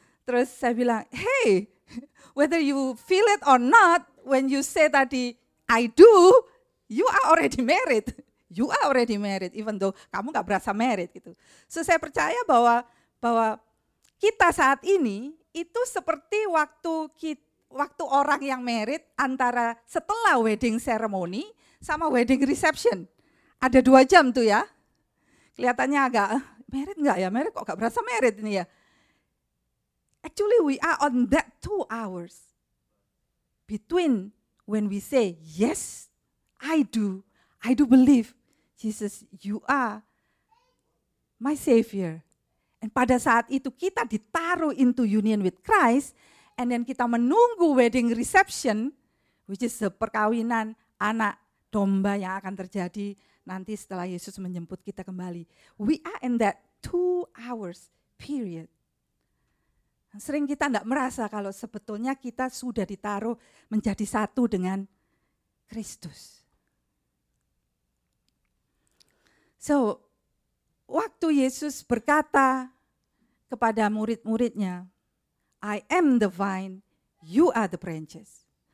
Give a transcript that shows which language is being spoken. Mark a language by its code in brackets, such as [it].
[id] Terus saya bilang, [en] hey, whether you feel it or not, when you say [id] tadi, [en] I do, you are already married. You are already married, even though [id] kamu gak berasa [en] married. [id] Gitu. So saya percaya bahwa kita saat ini itu seperti waktu orang yang married antara setelah wedding ceremony sama wedding reception. Ada 2 jam tuh ya. Kelihatannya agak married enggak ya? Married kok enggak berasa married ini ya? [en] Actually we are on that 2 hours between when we say yes, I do believe Jesus you are my savior. [id] Dan pada saat itu kita ditaruh [en] into union with Christ, and then [id] kita menunggu wedding reception, [en] which is [id] perkawinan anak domba yang akan terjadi nanti setelah Yesus menjemput kita kembali. [en] We are in that 2 hours period. [id] Sering kita tidak merasa kalau sebetulnya kita sudah ditaruh menjadi satu dengan Kristus. [en] So, [id] waktu Yesus berkata kepada murid-muridnya, [en] I am the vine, you are the branches.